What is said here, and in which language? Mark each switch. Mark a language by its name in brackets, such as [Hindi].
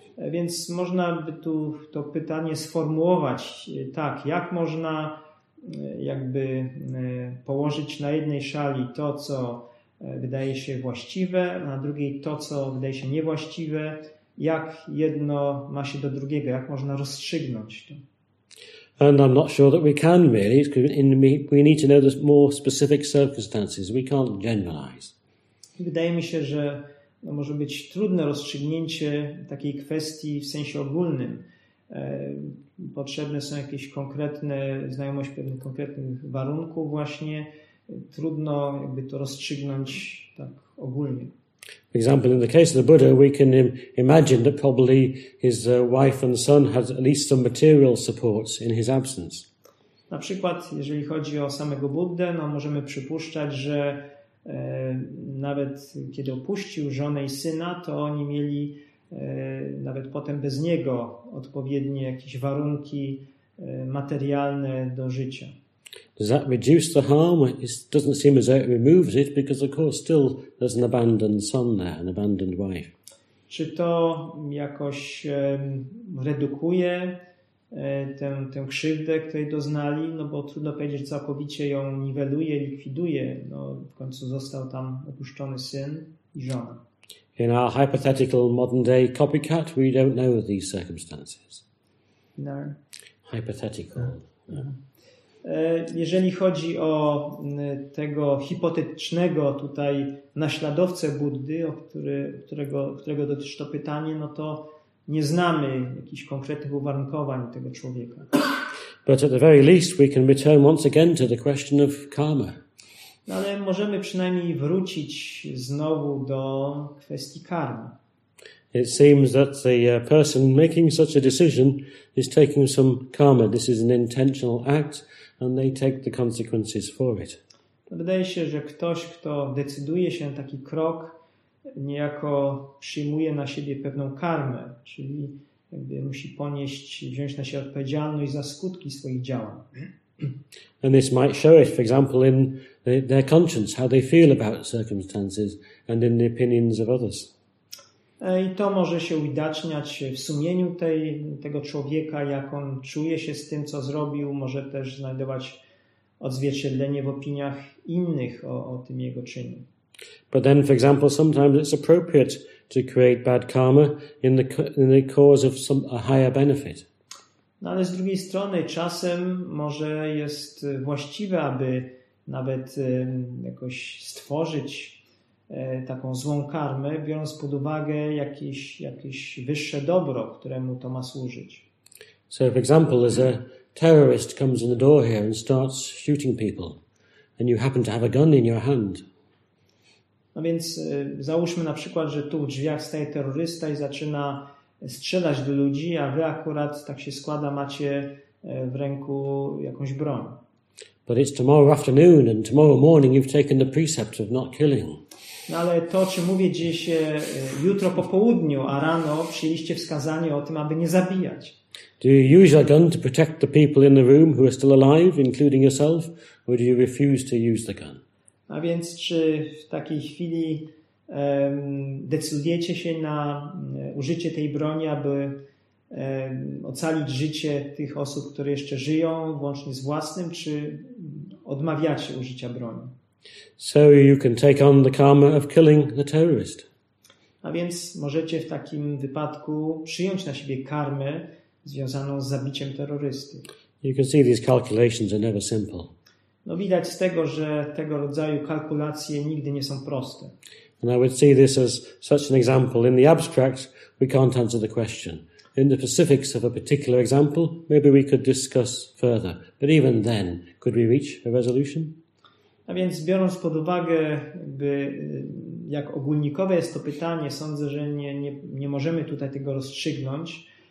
[Polish] Więc można by tu to pytanie sformułować tak, jak można jakby położyć na jednej szali to, co wydaje się właściwe, na drugiej to, co wydaje się niewłaściwe, jak jedno ma się do drugiego, jak można rozstrzygnąć to. [English] And I'm not sure that we can really, we need to know the more specific circumstances, we can't generalize. [Polish] Wydaje mi się, że no może być trudne rozstrzygnięcie takiej kwestii w sensie ogólnym. Potrzebne są jakieś konkretne znajomość pewnych konkretnych warunków właśnie. Trudno jakby to rozstrzygnąć tak ogólnie. [English] For example, in the case of the Buddha, we can imagine that probably his wife and son had at least some material supports in his absence. [Polish] Na przykład, jeżeli chodzi o samego Buddę, no możemy przypuszczać, że nawet kiedy opuścił żonę i syna, to oni mieli nawet potem bez niego odpowiednie jakieś warunki materialne do życia. [English] Does that reduce the harm? It doesn't seem as though it removes it, because of course still there's an abandoned son there, an abandoned wife. [Polish] Czy to jakoś redukuje tę krzywdę, której doznali, no bo trudno powiedzieć, że całkowicie ją niweluje, likwiduje. No, w końcu został tam opuszczony syn i żona. [English] In our hypothetical modern day copycat, we don't know these circumstances. No. Hypothetical. [Polish] Jeżeli chodzi o tego hipotetycznego tutaj naśladowcę Buddy, którego dotyczy to pytanie, no to nie znamy jakichś konkretnych uwarunkowań tego człowieka. [English] But at the very least we can return once again to the question of karma. [Polish] No, ale możemy przynajmniej wrócić znowu do kwestii karmy. [English] It seems that the person making such a decision is taking some karma. This is an intentional act and they take the consequences for it. [Polish] Wydaje się, że ktoś, kto decyduje się na taki krok, niejako przyjmuje na siebie pewną karmę, czyli jakby musi ponieść, wziąć na siebie odpowiedzialność za skutki swoich działań. [English] And this might show it, for example, in their conscience, how they feel about circumstances and in the opinions of others. [Polish] I to może się uwidaczniać w sumieniu tego człowieka, jak on czuje się z tym, co zrobił. Może też znajdować odzwierciedlenie w opiniach innych o tym jego czynie. [English] But then, for example, sometimes it's appropriate to create bad karma in the cause of a higher benefit. [Polish] No ale z drugiej strony czasem może jest właściwe, aby nawet jakoś stworzyć taką złą karmę, biorąc pod uwagę jakieś wyższe dobro, któremu to ma służyć. [English] So for example, there's a terrorist comes in the door here and starts shooting people and you happen to have a gun in your hand. [Polish] No więc załóżmy na przykład, że tu w drzwiach staje terrorysta i zaczyna strzelać do ludzi, a wy akurat, tak się składa, macie w ręku jakąś broń. [English] But it's tomorrow afternoon and tomorrow morning you've taken the precept of not killing. [Polish] No ale to, o czym mówię, dzieje się jutro po południu, a rano przyjęliście wskazanie o tym, aby nie zabijać. [English] Do you use your gun to protect the people in the room who are still alive, including yourself, or do you refuse to use the gun? [Polish] A więc czy w takiej chwili decydujecie się na użycie tej broni, aby ocalić życie tych osób, które jeszcze żyją, włącznie z własnym, czy odmawiacie użycia broni? [English] So you can take on the karma of killing the terrorist. [Polish] A więc możecie w takim wypadku przyjąć na siebie karmę związaną z zabiciem terrorysty. [English] You can see these calculations are never simple. [Polish] No widać z tego, że tego rodzaju kalkulacje nigdy nie są proste. [English] And I would see this as such an example. In the abstract, we can't answer the question. In the specifics of a particular example, maybe we could discuss further. But even then, could we reach a resolution? [Polish] A więc biorąc pod uwagę, jak ogólnikowe jest to pytanie, sądzę, że nie możemy tutaj tego rozstrzygnąć.